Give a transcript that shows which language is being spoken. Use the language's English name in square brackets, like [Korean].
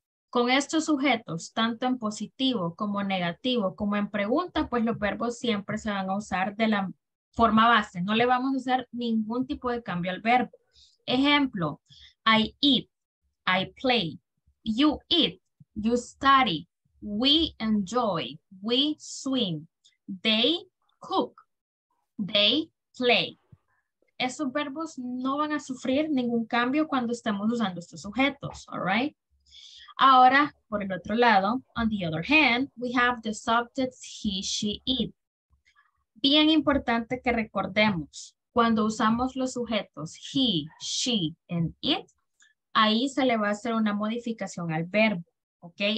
[Spanish] Con estos sujetos, tanto en positivo como negativo, como en pregunta, pues los verbos siempre se van a usar de la forma base. No le vamos a hacer ningún tipo de cambio al verbo. Ejemplo, [English] I eat, I play, you eat, you study, we enjoy, we swim, they cook, they play. [Spanish] Esos verbos no van a sufrir ningún cambio cuando estemos usando estos sujetos, [English] all right? [Spanish] Ahora, por el otro lado, [English] on the other hand, we have the subjects he, she, it. [Spanish] Bien importante que recordemos, cuando usamos los sujetos [English] he, she, and it, [Spanish] ahí se le va a hacer una modificación al verbo, [English] ¿ok?